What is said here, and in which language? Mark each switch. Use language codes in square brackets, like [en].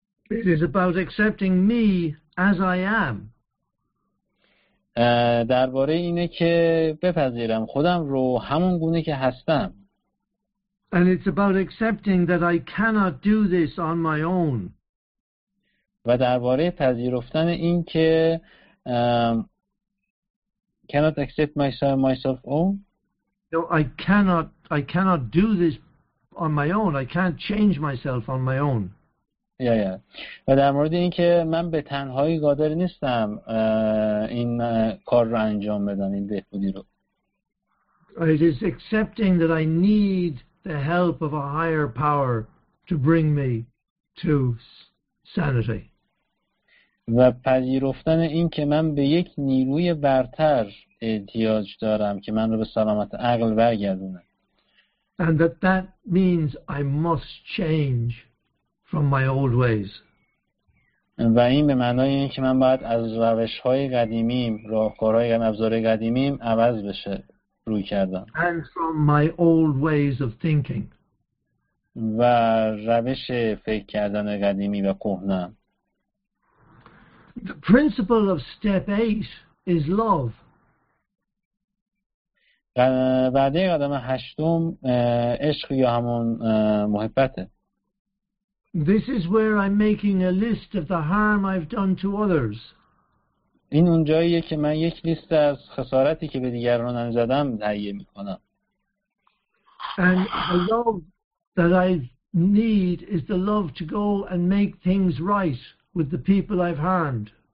[en] It is about accepting me as I am. [fa] درباره اینه که بپذیرم خودم رو همون گونه که هستم. [en] And it's about accepting that I cannot do this on my own. [fa] و درباره پذیرفتن این که [en] cannot accept myself own. No, I cannot do this on my own. I can't change myself on my own. Yeah. [fa] و در مورد این که من به تنهایی قادر نیستم این کار رو انجام بدم، این بهبودی رو. [en] It is accepting that I need the help of a higher power to bring me to sanity. [fa] و پذیرفتن این که من به یک نیروی برتر احتیاج دارم که من رو به سلامت عقل برگردونه. [en] And that means I must change from my old ways. [fa] و این به معنای این که من باید از روش‌های قدیمیم، راهکارهای ابزارهای قدیمیم عوض بشه روی کردم. [en] And from my old ways of thinking. [fa] و روش فکر کردن قدیمی و کهنه. [en] The principle of step 8 is love. [fa] بعد از قدم هشتم عشق یا همون محبته. [en] This is where I'm making a list of the harm I've done to others. [fa] این اون جاییه که من یک لیست از خسارتی که به دیگران زدم تهیه میکنم. [en] And the love that I need is the love to go and make things right with the people I've harmed.